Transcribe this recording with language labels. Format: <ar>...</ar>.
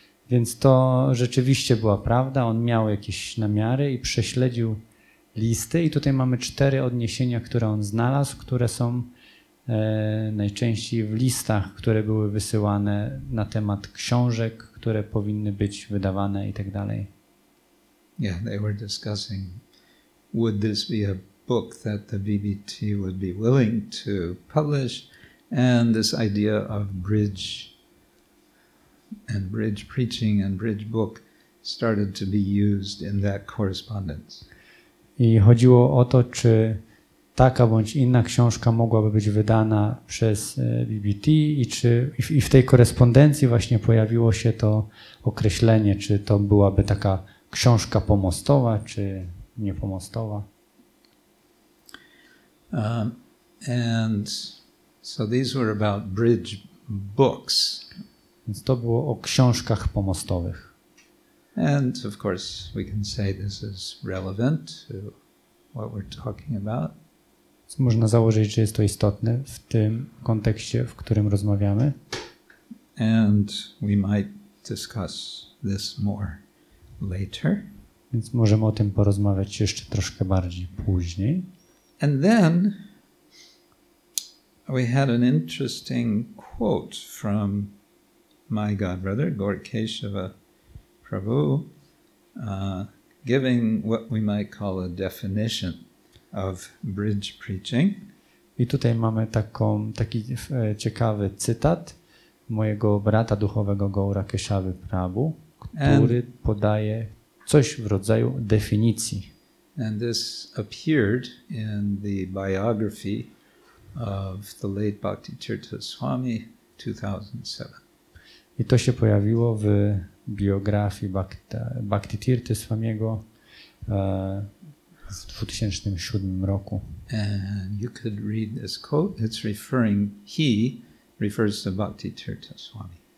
<pl>Więc to rzeczywiście była prawda. On miał jakieś namiary i prześledził listy. I tutaj mamy cztery odniesienia, które on znalazł, które są najczęściej w listach, które były wysyłane na temat książek, które powinny być wydawane i tak dalej.</pl> <en>Yeah, they were discussing, would this be a book that the BBT would be willing to publish? And this idea of bridge and bridge preaching and bridge book started to be used in that correspondence.</en> <pl>I chodziło o to, czy taka bądź inna książka mogłaby być wydana przez BBT i w tej korespondencji właśnie pojawiło się to określenie, czy to byłaby taka książka pomostowa, czy niepomostowa.</pl> <en>And so these were about bridge books.</en> <pl>Więc to było o książkach pomostowych.</pl> <en>And of course we can say this is relevant to what we're talking about.</en> <pl>Można założyć, że jest to istotne w tym kontekście, w którym rozmawiamy.</pl> <en>And we might discuss this more later.</en> <pl>Więc możemy o tym porozmawiać jeszcze troszkę bardziej później.</pl> <en>And then we had an interesting quote from my godbrother, Gaur Keshava Prabhu, giving what we might call a definition of bridge preaching.</en> <pl>I tutaj mamy taki ciekawy cytat mojego brata duchowego Gaura Keshavy Prabhu, który podaje coś w rodzaju definicji.</pl> <en>And this appeared in the biography of the late Bhaktivedanta Swami 2007.</en> <pl>I to się pojawiło w biografii Bhaktivedanta Swamiego w 2007 roku.</pl> <en>And you could read this quote. It's referring, he refers to Bhaktivedanta Swami.</en>